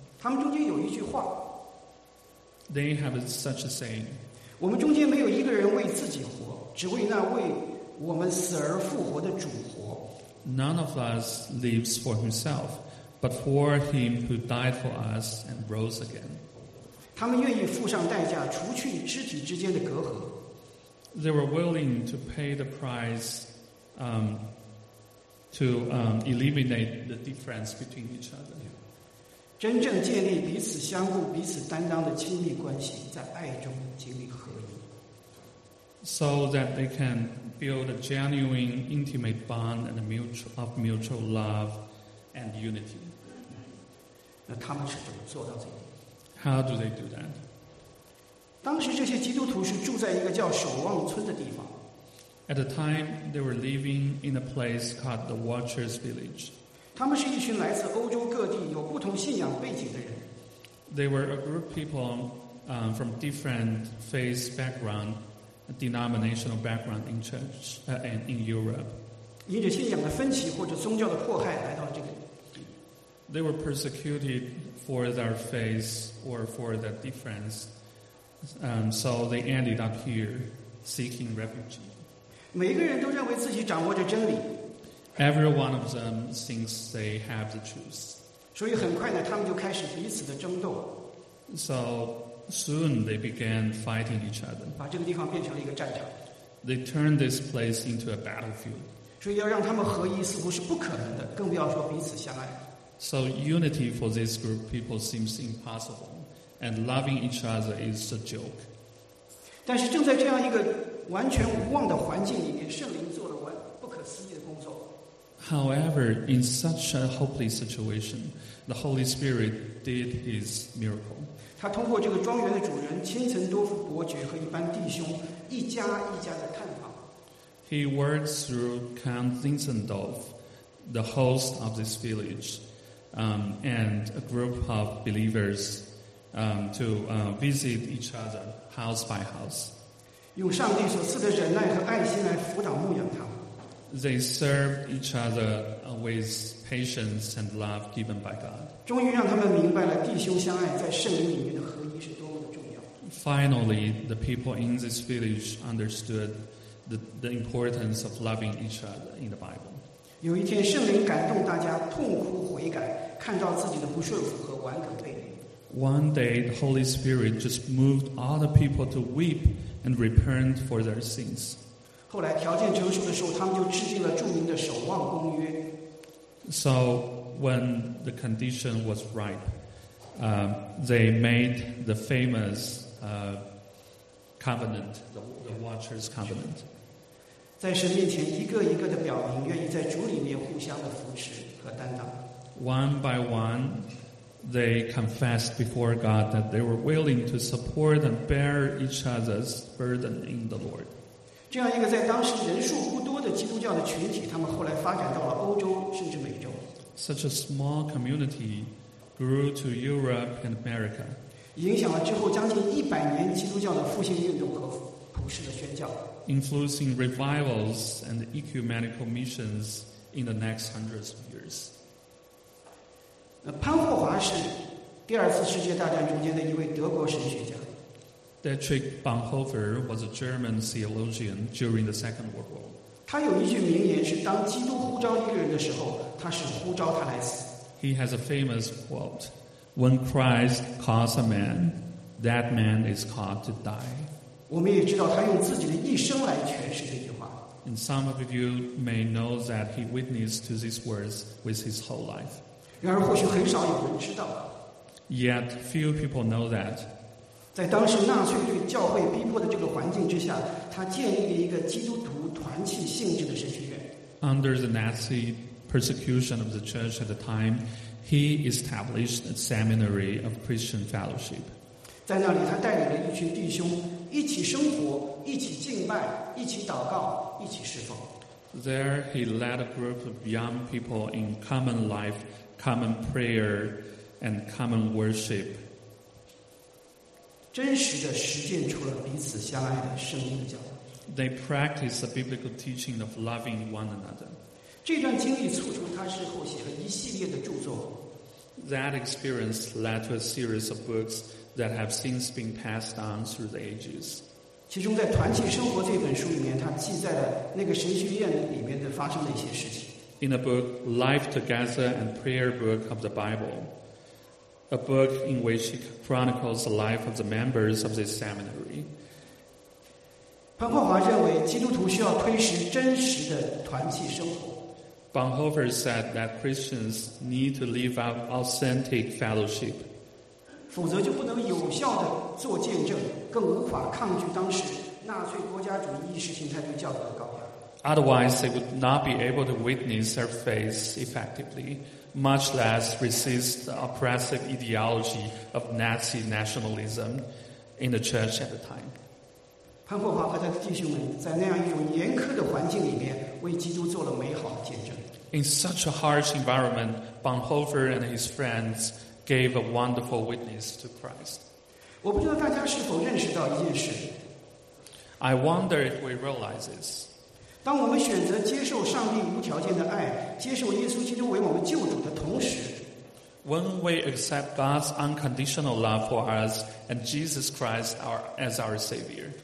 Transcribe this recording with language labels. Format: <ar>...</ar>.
<zh>他们中间有一句话。</zh> <en>They have such a saying.</en> <zh>我们中间没有一个人为自己活，只为那为我们死而复活的主活。</zh> <en>None of us lives for himself, but for him who died for us and rose again.</en> <zh>他们愿意付上代价，除去肢体之间的隔阂。</zh> <en>They were willing to pay the price, eliminate the difference between each other.</en> <zh>真正建立彼此相互、彼此担当的亲密关系，在爱中经历合一。</zh> <en>So that they can build a genuine, intimate bond and mutual love and unity.</en> <zh>那他们是怎么做到这一点？</zh> <en>How do they do that?</en> <zh>当时这些基督徒是住在一个叫守望村的地方。</zh> <en>At the time, they were living in a place called the Watcher's Village.</en> <zh>他们是一群来自欧洲各地有不同信仰背景的人。</zh> <en>They were a group of people from different faith background. Denominational background in church and in Europe.</en> <zh>因着信仰的分歧或者宗教的迫害来到这个。</zh> <en>They were persecuted for their faith or for their difference, so they ended up here seeking refuge.</en> <zh>每个人都认为自己掌握着真理。</zh> <en>Every one of them thinks they have the truth.</en> <zh>所以很快呢，他们就开始彼此的争斗。</zh> <en>So. Soon they began fighting each other.</en> <zh>把这个地方变成了一个战场。</zh> <en>They turned this place into a battlefield.</en> <zh>所以要让他们合一似乎是不可能的，更不要说彼此相爱。</zh> <en>So unity for this group of people seems impossible, and loving each other is a joke.</en> <zh>但是正在这样一个完全无望的环境里面，圣灵做了完不可思议的工作。</zh> <en>However, in such a hopeless situation, the Holy Spirit did His miracle.</en> <zh>他通过这个庄园的主人千层多夫伯爵和一班弟兄一家一家的探访。</zh> <en>He worked through Count Zinzendorf, the host of this village, and a group of believers, visit each other house by house.</en> <zh>用上帝所赐的忍耐和爱心来辅导牧养他们。</zh> <en>They served each other with patience and love given by God.</en> <zh>终于让他们明白了弟兄相爱在圣灵里面的合一是多么的重要。</zh> <en>Finally, the people in this village understood the importance of loving each other in the Bible.</en> <zh>有一天，圣灵感动大家痛哭悔改，看到自己的不顺服和顽梗背离。</zh> <en>One day, the Holy Spirit just moved all the people to weep and repent for their sins.</en> <zh>后来条件成熟的时候，他们就制定了著名的守望公约。</zh> <en>So when the condition was ripe, they made the famous covenant, the Watcher's Covenant.</en> <zh>在神面前一个一个的表明，愿意在主里面互相的扶持和担当。</zh> <en>One by one, they confessed before God that they were willing to support and bear each other's burden in the Lord.</en> <zh>这样一个在当时人数不多的基督教的群体，他们后来发展到了欧洲甚至美洲。</zh> <en>Such a small community grew to Europe and America.</en> <zh>影响了之后将近100年基督教的复兴运动和普世的宣教。</zh> <en>Influencing revivals and ecumenical missions in the next hundreds of years.</en> <zh>潘霍华是第二次世界大战中间的一位德国神学家。</zh> <en>Dietrich Bonhoeffer was a German theologian during the Second World War.</en> <zh>他有一句名言是：“当基督呼召一个人的时候，他是呼召他来死。”</zh> <en>He has a famous quote: "When Christ calls a man, that man is called to die."</en> <zh>我们也知道他用自己的一生来诠释这句话。</zh> <en>And some of you may know that he witnessed to these words with his whole life.</en> <zh>然而，或许很少有人知道。</zh> <en>Yet few people know that.</en> <zh>在当时纳粹对教会逼迫的这个环境之下，他建立了一个基督徒团契性质的神学院。</zh> <en>Under the Nazi persecution of the church at the time, he established a seminary of Christian fellowship.</en> <zh>在那里，他带领了一群弟兄一起生活，一起敬拜，一起祷告，一起侍奉。</zh> <en>There he led a group of young people in common life, common prayer, and common worship.</en> <zh>真实的实践出了彼此相爱的生命的教导。</zh> <en>They practiced the biblical teaching of loving one another.</en> <zh>这段经历促成他之后写了一系列的著作。</zh> <en>That experience led to a series of books that have since been passed on through the ages.</en> <zh>其中在团契生活这本书里面，他记载了那个神学院里面的发生的一些事情。</zh> <en>In a book, Life Together and Prayer Book of the Bible, a book in which he chronicles the life of the members of this seminary.</en> <zh>彭霍华认为基督徒需要推实真实的团契生活。</zh> <en>Bonhoeffer said that Christians need to live out authentic fellowship.</en> <zh>否则就不能有效地做见证，更无法抗拒当时纳粹国家主义意识形态对教导的高压。</zh> <en>Otherwise, they would not be able to witness their faith effectively, much less resist the oppressive ideology of Nazi nationalism in the church at the time.</en> <zh>潘霍华和他的弟兄们在那样一种严苛的环境里面为基督做了美好的见证。</zh> <en>In such a harsh environment, Bonhoeffer and his friendsgave a wonderful witness to Christ.</en> <zh>我不知道大家是否认识到一件事。</zh> <en>I wonder if we realize this.</en> <zh>当我们选择接受上帝无条件的爱，接受耶稣基督为我们救主的同时，</zh> <en>When we accept God's unconditional love for us and Jesus Christ as our Savior,</en>